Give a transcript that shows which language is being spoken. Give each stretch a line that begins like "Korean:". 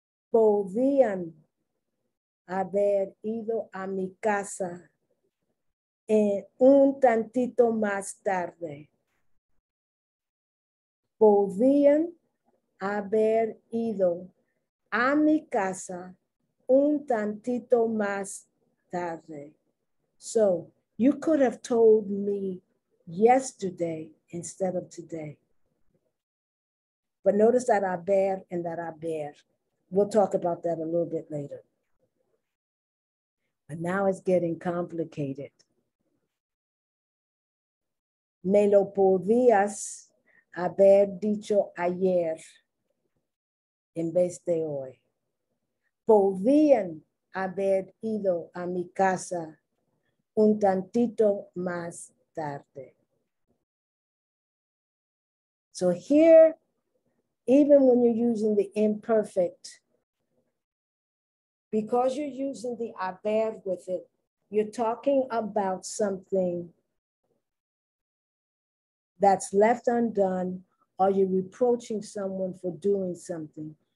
Spanish: Podían haber ido a mi casa un tantito más tarde. Podían haber ido a mi casa un tantito más tarde.
English: So, you could have told me yesterday instead of today. But notice that haber and that haber. We'll talk about that a little bit later. But now it's getting complicated.
Spanish: Me lo podías haber dicho ayer en vez de hoy. Podían haber ido a mi casa un tantito más tarde.
English: So here, even when you're using the imperfect, because you're using the haber with it, you're talking about something that's left undone, or you're reproaching someone for doing something.